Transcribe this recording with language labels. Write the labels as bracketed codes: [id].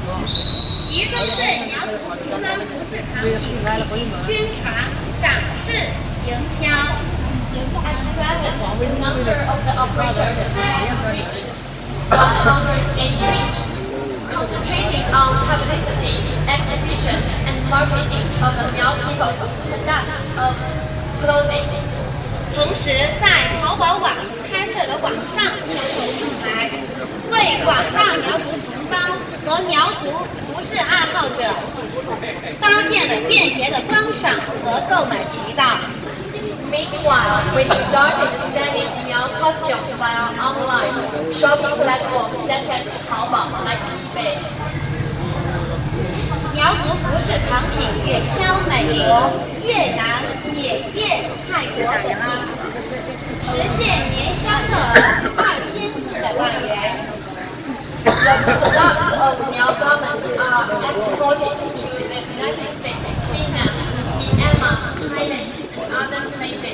[zh] 集中对苗族服装服饰场景进行宣传、展示、营销。 [en] Concentrating on publicity, exhibition, and marketing of the Miao people's products of clothing. [zh] 同时在淘宝网开设了网上销售平台，为广大苗族同胞和苗族服饰爱好者搭建了便捷的观赏和购买渠道。 [en] Meanwhile, we started selling Miao costumes via online shopping platforms such as Taobao and eBay. [zh] 苗族服饰产品远销美国、越南、缅甸、泰国等地，实现年销售额2400万元。 [en] The products of Miao garments are exported to the United States, Vietnam, Myanmar, Thailand.